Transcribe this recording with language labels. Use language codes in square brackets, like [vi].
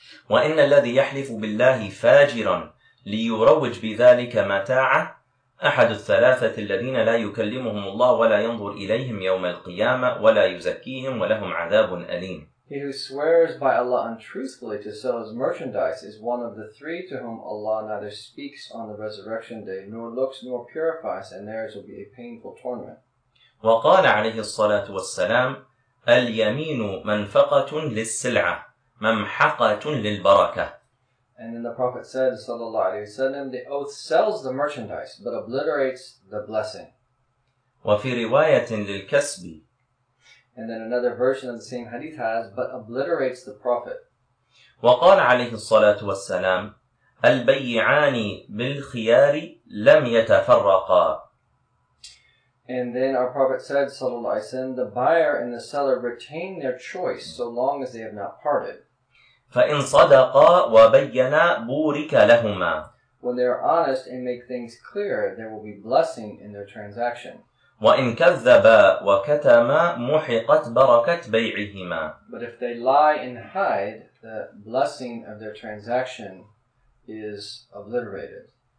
[ar] وَإِنَّ الَّذِي يَحْلِفُ بِاللَّهِ فَاجِرًا لِيُرَوِّجْ بِذَلِكَ مَتَاعَةِ أَحَدُ الثَّلَاثَةِ الَّذِينَ لَا يُكَلِّمُهُمُ اللَّهُ وَلَا يَنْظُرْ إِلَيْهِمْ يَوْمَ الْقِيَامَةِ وَلَا يُزَكِّيهِمْ وَلَهُمْ عَذَابٌ أَلِيمٌ. [en] He who swears by Allah untruthfully to sell his merchandise is one of the three to whom Allah neither speaks on the resurrection day, nor looks, nor purifies, and theirs will be a painful torment. [ar] وقال عليه الصلاة والسلام اليمين منفقة للسلعة ممحقة للبركة. [en] And then the Prophet said, [ar] صلى الله عليه وسلم, [en] the oath sells the merchandise but obliterates the blessing. [ar] وفي رواية للكسب. [en] And then another version of the same hadith has, but obliterates the Prophet. [ar] وقال عليه الصلاة والسلام البيعان بالخيار لم يتفرقا. [en] And then our Prophet said, [ar] صلى الله عليه وسلم, [en] the buyer and the seller retain their choice so long as they have not parted. [ar] فإن صدقا وبينا بورك لهما. [en] When they are honest and make things clear, there will be blessing in their transaction. [ar] وَإِنْ كَذَّبَا وَكَتَمَا مُحِقَتْ بَرَكَتْ بَيْعِهِمَا. [en] But if they lie and hide, the blessing of their transaction is obliterated.